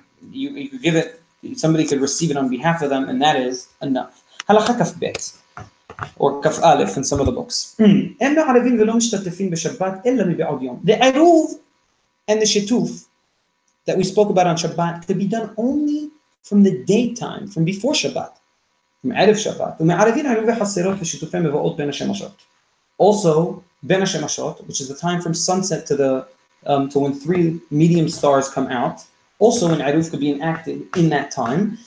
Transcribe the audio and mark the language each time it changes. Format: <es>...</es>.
<en>You could give it, somebody could receive it on behalf of them, and that is enough.</en> <he>הלכה כף בית,</he> <en>or</en> <he>כף אלף</he> <en>in some of the books.</en> <he>אין מערבים ולא משתתפים בשבת אלא מבעוד יום.</he> <en>The עירוב and the shetuf that we spoke about on Shabbat could be done only from the daytime, from before Shabbat, from Erev Shabbat. Also, Ben HaShemashot, which is the time from sunset to when three medium stars come out, also when Eruv could be enacted in that time.</en>